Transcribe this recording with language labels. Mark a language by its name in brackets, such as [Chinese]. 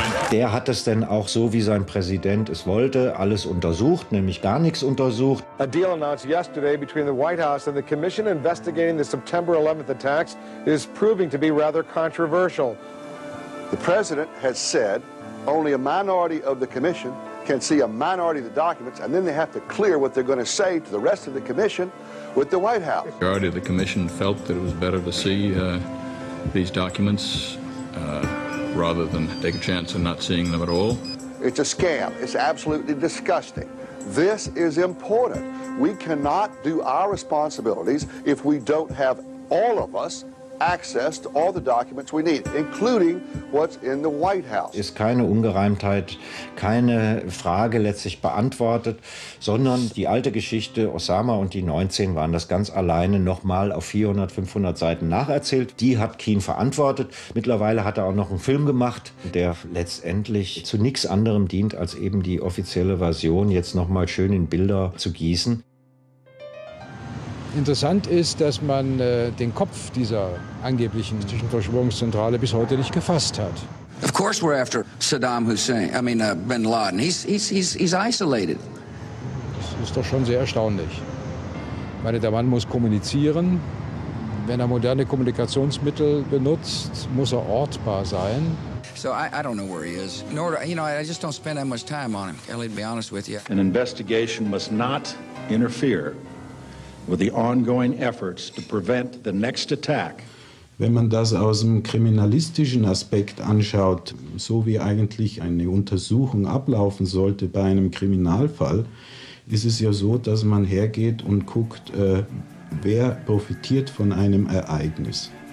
[German] Der hat es denn auch so, wie sein Präsident es wollte, alles untersucht, nämlich gar nichts untersucht. [English] A deal announced yesterday between the White House and the commission investigating the September 11th attacks is proving to be rather controversial. The president has said only a minority of the commission can see a minority of the documents, and then they have to clear what they're going to say to the rest of the commission with the White House. The majority of the commission felt that it was better to see these documents rather than take a chance of not seeing them at all. It's a scam. It's absolutely disgusting. This is important. We cannot do our responsibilities if we don't have all of us access to all the documents we need, including what's in the White House. [German] Ist keine Ungereimtheit, keine Frage letztlich beantwortet, sondern die alte Geschichte Osama und die 19 waren das ganz alleine nochmal auf 400, 500 Seiten nacherzählt. Die hat Keane verantwortet. Mittlerweile hat er auch noch einen Film gemacht, der letztendlich zu nichts anderem dient, als eben die offizielle Version jetzt nochmal schön in Bilder zu gießen. Interessant ist, dass man den Kopf dieser angeblichen Verschwörungszentrale bis heute nicht gefasst hat. [English] Of course we're after Saddam Hussein, I mean Bin Laden. He's isolated. [German] Das ist doch schon sehr erstaunlich. Ich meine, der Mann muss kommunizieren. Wenn er moderne Kommunikationsmittel benutzt, muss er ortbar sein. [English] So I don't know where he is. Nor, you know, I just don't spend that much time on him. I'll be honest with you. An investigation must not interfere with the ongoing efforts to prevent the next attack. [German] Wenn man das aus dem kriminalistischen Aspekt anschaut, so wie eigentlich eine Untersuchung ablaufen sollte bei einem Kriminalfall, ist es ja so, dass man hergeht und guckt, wer profitiert von einem Ereignis.